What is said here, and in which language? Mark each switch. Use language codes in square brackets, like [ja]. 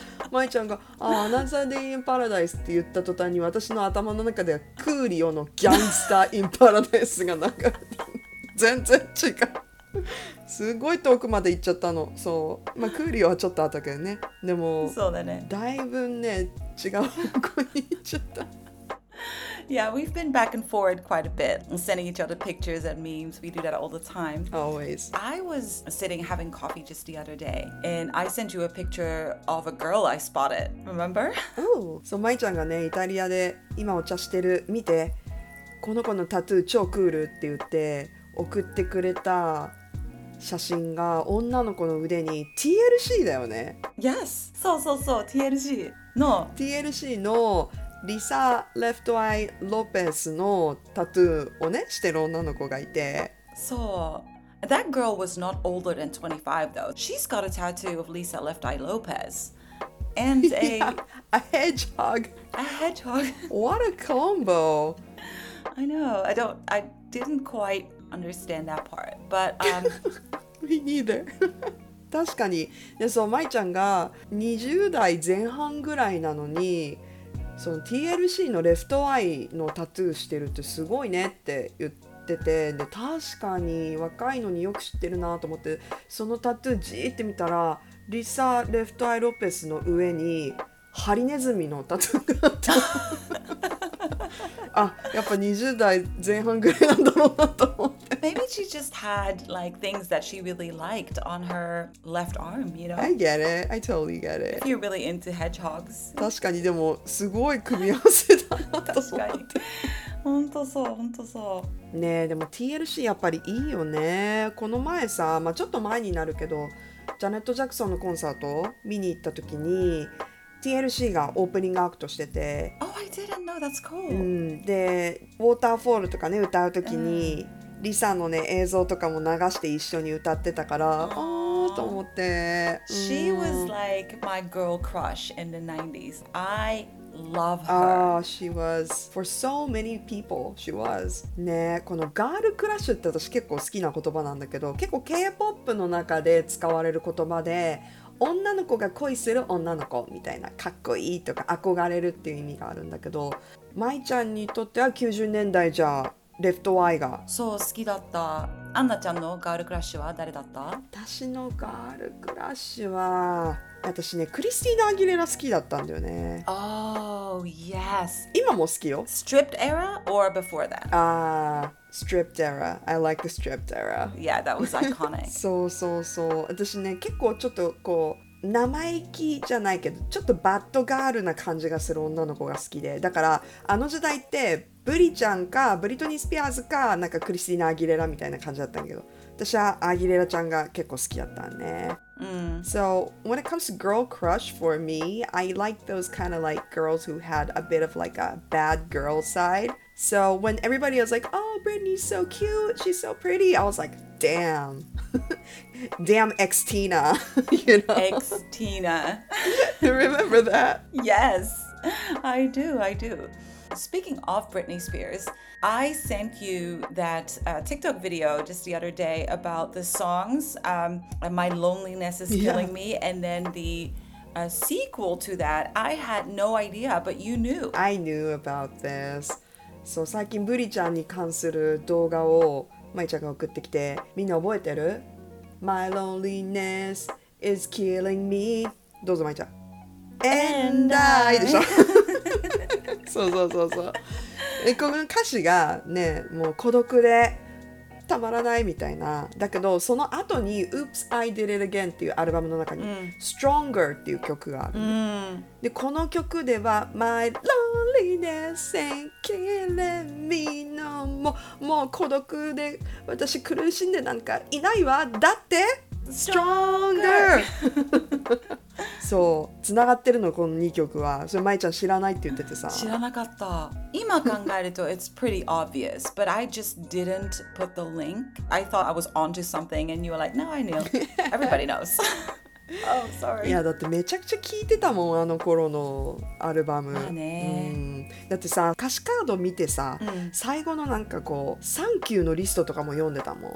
[ja] マイちゃんがあアナザーデイインパラダイスって言った途端に私の頭の中ではクーリオのギャンスターインパラダイスがなんか全然違うすごい遠くまで行っちゃったの。そう、まあ、クーリオはちょっとあったけどね。でもそうだね、だいぶね違う方向に行っちゃった [en] Yeah, we've been back and forward quite a bit, sending each other pictures and memes. We do that all the time. Always. I was sitting having coffee just the other day, and I sent you a picture of a girl I spotted. Remember? Oh, so [ja] Mai-chan がね、イタリアで今お茶してる、見て、この子のタトゥー超クールって言って送ってくれた写真が女の子の腕に TLC だよね。 [en] Yes. [ja] そうそうそう、TLC の。 TLC の。リサ・レフトアイ・ロペスのタトゥーをねしてる女の子がいて、そう、 [en] That girl was not older than 25 though. She's got a tattoo of Lisa Left Eye Lopez and a a hedgehog. A hedgehog. What a combo. I know. I didn't quite understand that part. But me neither. [ja] 確かに。で、そう、マイちゃんが20代前半ぐらいなのに。その TLC のレフトアイのタトゥーしてるってすごいねって言ってて、で確かに若いのによく知ってるなと思って、そのタトゥーじーって見たらリサ・レフトアイ・ロペスの上にハリネズミのタトゥーがあったあ、やっぱ20代前半ぐらいなんだろうなと思って [en] Maybe she just had like things that she really liked on her left arm, you know? I get it, I totally get it. If you're really into hedgehogs. [ja] 確かに、でもすごい組み合わせだなと思って確かに、ほんとそう、ほんとそう。ねえ、でも TLC やっぱりいいよね。この前さ、まあ、ちょっと前になるけど、ジャネット・ジャクソンのコンサート見に行った時にTLC がオープニングアクトしてて、 [en] Oh, I didn't know, that's cool、 [ja] うん、で、ウォーターフォールとかね、歌うときに、リサのね、映像とかも流して一緒に歌ってたから、あーと思って、 [en] She was like my girl crush in the 90s. I love her. Oh, she was. For so many people, she was. [ja] ね、このガールクラッシュって私結構好きな言葉なんだけど、結構 K-POP の中で使われる言葉で、女の子が恋する女の子みたいな、かっこいいとか憧れるっていう意味があるんだけど、舞ちゃんにとっては90年代じゃレフトアイがそう好きだった。アンナちゃんのガールクラッシュは誰だった？私のガールクラッシュは、私ね、クリスティーナ・アギレラ好きだったんだよね。 [en] Oh, yes. [ja] 今も好きよ。 [en] Stripped era or before that? Stripped era. I like the stripped era. Yeah, that was iconic. [ja] そうそうそう。私ね、結構ちょっとこう、生意気じゃないけど、ちょっとバッドガールな感じがする女の子が好きで。だから、あの時代って、ブリちゃんか、ブリトニー・スピアーズか、なんかクリスティーナ・アギレラみたいな感じだったんだけど、私はアギレラちゃんが結構好きだったんね。 [en] So, when it comes to girl crush for me, I like those kind of like girls who had a bit of like a bad girl side. So, when everybody was like, oh, Britney's so cute, she's so pretty, I was like, damn. Damn ex-Tina, you know? Ex-Tina. Remember that? Yes, I do, I do. Speaking of Britney Spears, I sent you that TikTok video just the other day about the songs, My Loneliness is Killing Me, and then the sequel to that, I had no idea, but you knew. I knew about this. So, [ja] 最近ブリちゃんに関する動画をマイちゃんが送ってきて、みんな覚えてる？ [en] My loneliness is killing me. [ja] どうぞマイちゃん。 [en] And I [ja] でしょ。そうそうそうそう。え、この歌詞がね、もう孤独でたまらないみたいな。だけど、その後に Oops, I Did It Again っていうアルバムの中に、Stronger っていう曲がある。で、この曲では [en] My loneliness ain't killing me no more。 [ja] もう孤独で私苦しんでなんかいないわ。だって [en] Stronger [ja] そう、繋がってるのこの2曲は。それまいちゃん知らないって言っててさ、知らなかった。今考えると [en] It's pretty obvious, but I just didn't put the link. I thought I was onto something and you were like, No, I knew. Everybody knows. Oh, sorry. [ja] いやだってめちゃくちゃ聞いてたもん、あの頃のアルバム。あ、ね、うん、だってさ、歌詞カード見てさ、うん、最後のなんかこうサンキューのリストとかも読んでたもん。